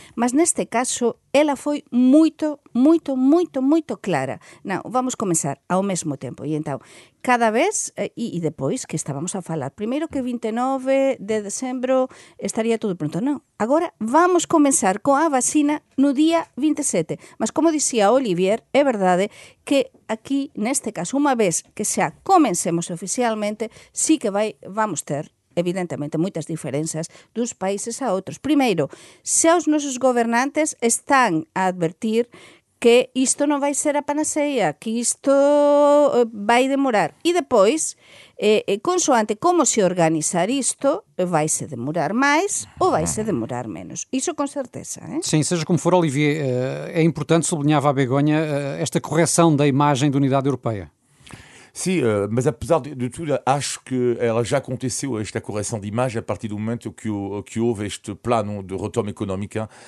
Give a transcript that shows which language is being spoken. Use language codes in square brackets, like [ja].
[gl] Mas neste caso, ela foi moito, moito, moito, moito clara. Não, vamos comenzar ao mesmo tempo. E então, cada vez, e depois que estábamos a falar, primeiro que 29 de dezembro estaría todo pronto. Non, agora vamos comenzar con a vacina no día 27. Mas como dicía Olivier, é verdade que aquí, neste caso, unha vez que xa comencemos oficialmente, sí que vai, vamos ter, evidentemente, moitas diferenzas dos países a outros. Primeiro, se os nosos gobernantes están a advertir que isto non vai ser a panaceia, que isto vai demorar. E depois, consoante como se organizar isto, vai se demorar máis ou vai se demorar menos. Iso con certeza. [pt] Sim, seja como for, Olivier, é importante, sublinhava a Begonha, esta correção da imagem da Unidade Europeia. Sim, mas apesar de tudo, acho que ela já aconteceu, esta correção de imagem, a partir do momento que houve este plano de retoma económica.